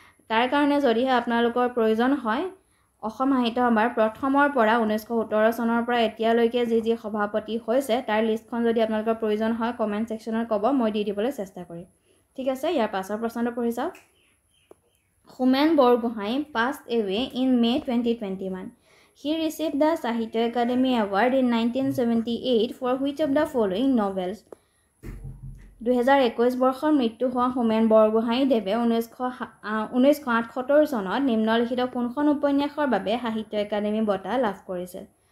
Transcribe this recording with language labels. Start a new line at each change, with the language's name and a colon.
Assamese: তাৰ কাৰণে যদিহে আপোনালোকৰ প্ৰয়োজন হয়, অসম সাহিত্য সভাৰ প্ৰথমৰ পৰা 1917 চনৰ পৰা এতিয়ালৈকে যি সভাপতি হৈছে তাৰ লিষ্টখন যদি আপোনালোকৰ প্ৰয়োজন হয় কমেণ্ট ছেকশ্যনত ক'ব, মই দি দিবলৈ চেষ্টা কৰিম। ঠিক আছে, ইয়াৰ পাছৰ প্ৰশ্নটো পঢ়ি চাওক, Homen Borgohain
English: passed away in May
Assamese: 2021।
English: He received the Sahitya Academy Award in 1978 for which of the following novels?
Assamese: 2021 বৰ্ষৰ মৃত্যু হোৱা হোমেন বৰগোহাঁই দেৱে 1978 চনত নিম্নলিখিত কোনখন উপন্যাসৰ বাবে সাহিত্য একাডেমী বঁটা লাভ কৰিছিল?